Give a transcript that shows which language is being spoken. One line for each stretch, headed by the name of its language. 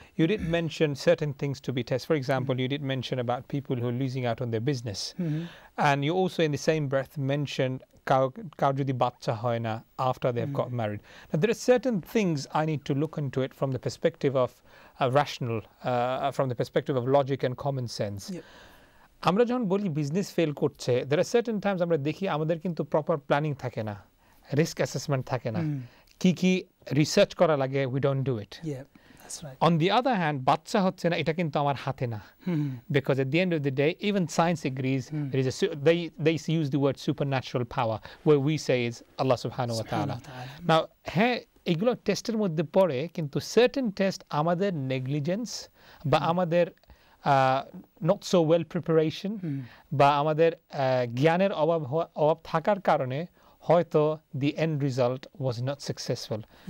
English: You did mention certain things to be tested. For example, you did mention about people who are losing out on their business. And you also in the same breath mentioned after they've got married. Now, there are certain things I need to look into it from the perspective of rational, from the perspective of logic and common sense.
Bangla: আমরা যখন বলি business fail করছে,
English: there are certain times
Bangla: আমরা দেখি আমাদের কিন্তু proper planning থাকে না, রিস্ক অ্যাসেসমেন্ট থাকে না, কি কি রিসার্চ করা লাগে,
English: We don't do it. On the other hand,
Bangla: বাচ্চা হচ্ছে না এটা কিন্তু আমার হাতে না,
English: Because at the end of the day even science agrees there is they use the word supernatural power, way we say is Allah সুবহানাহু ওয়া তাআলা।
Bangla: নাও হ্যাঁ, এগুলো টেস্টের মধ্যে পড়ে, কিন্তু সার্টেন টেস্ট আমাদের নেগলিজেন্স বা আমাদের
English: not so well preparation
Bangla: ba amader gyaner obab thakar karone hoyto
English: the end result was not successful.